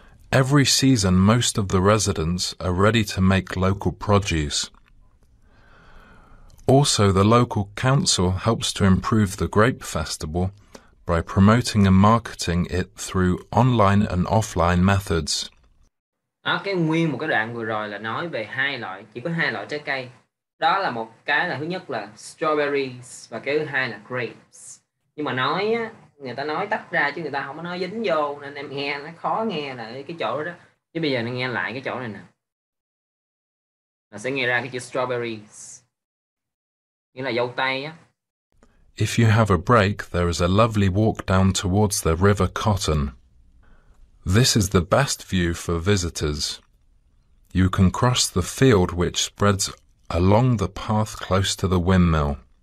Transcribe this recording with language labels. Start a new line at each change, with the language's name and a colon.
English: Every season, most of the residents are ready to make local produce. Also, the local council helps to improve the grape festival by promoting and marketing it through online and offline methods.
Vietnamese: Đó, cái nguyên một cái đoạn vừa rồi là nói về hai loại, chỉ có hai loại trái cây. Đó là một cái là thứ nhất là strawberries và cái thứ hai là grapes. Nhưng mà nói á, người ta nói tách ra chứ người ta không có nói dính vô nên em nghe nó khó nghe lại cái chỗ đó. Chứ bây giờ nó nghe lại cái chỗ này nè. Nó sẽ nghe ra cái chữ strawberries. Nghĩa là dâu tây á.
English: If you have a break, there is a lovely walk down towards the River Cotton. This is the best view for visitors. You can cross the field which spreads along the path close to the windmill.